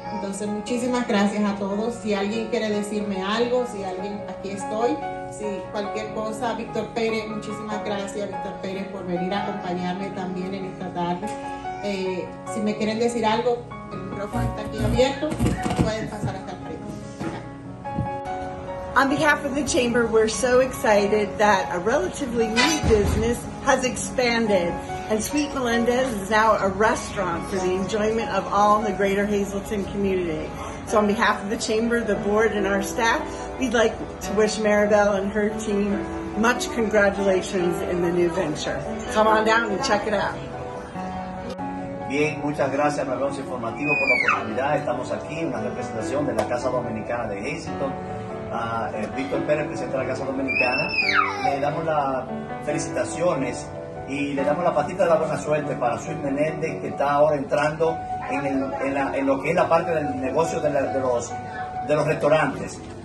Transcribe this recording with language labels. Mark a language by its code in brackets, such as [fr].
[es] Entonces, muchísimas gracias a todos. Si alguien quiere decirme algo, si alguien, aquí estoy. Si cualquier cosa, Víctor Pérez, muchísimas gracias, Víctor Pérez, por venir a acompañarme también en esta tarde. Si me quieren decir algo, el micrófono está aquí abierto. Pueden pasar hasta el frente. [en] On behalf of the Chamber, we're so excited that a relatively new business has expanded. And Sweet Meléndez is now a restaurant for the enjoyment of all in the greater Hazleton community. So on behalf of the Chamber, the board, and our staff, we'd like to wish Maribel and her team much congratulations in the new venture. Come on down and check it out. [es] Bien, muchas gracias, Maribel, informativo por la oportunidad. Estamos aquí en la representación de la Casa Dominicana de Hazleton. Víctor Pérez, presidente de la Casa Dominicana. Le damos las felicitaciones. Y le damos la patita de la buena suerte para Sweet Meléndez, que está ahora entrando en lo que es la parte del negocio de los restaurantes.